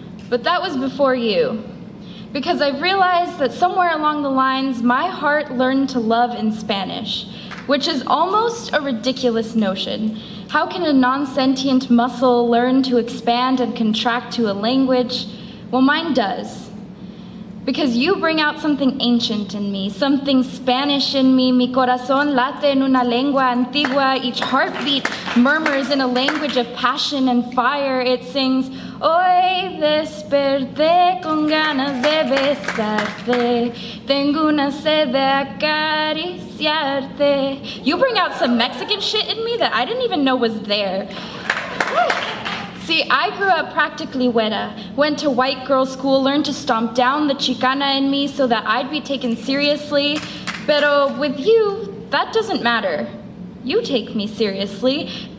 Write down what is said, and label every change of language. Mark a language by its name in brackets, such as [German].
[English] But that was before you. Because I've realized that somewhere along the lines, my heart learned to love in Spanish, which is almost a ridiculous notion. How can a non-sentient muscle learn to expand and contract to a language? Well, mine does. Because you bring out something ancient in me, something Spanish in me. [Spanish] Mi corazón late en una lengua antigua. [English] Each heartbeat murmurs in a language of passion and fire. It sings, [Spanish] hoy desperté con ganas de besarte. Tengo una sed de acariciarte. [English] You bring out some Mexican shit in me that I didn't even know was there. See, I grew up practically huera, went to white girl school, learned to stomp down the Chicana in me so that I'd be taken seriously. Pero with you, that doesn't matter. You take me seriously.